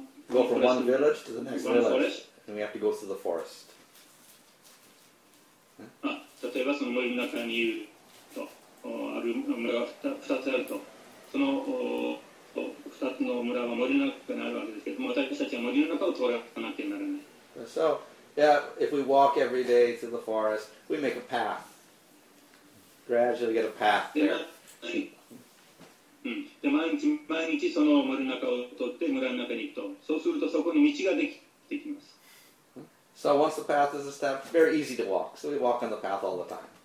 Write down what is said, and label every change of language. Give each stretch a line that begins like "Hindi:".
English: go from one village to the next village, and we have to go through the forest.
Japanese: 例えば、その森の中にいるとある村が二つあると、その二つの村は森の中にあるわけですけども、私たちは森の中を通らなきゃならない。
English: So, yeah, if we walk every day through the forest, we make a path. Gradually get a path there.
Japanese: で毎日その森の中を通って村の中に行くと、そうするとそこに道ができてきます。
English: So once the path is established, very easy to walk. So we walk on the path all the time.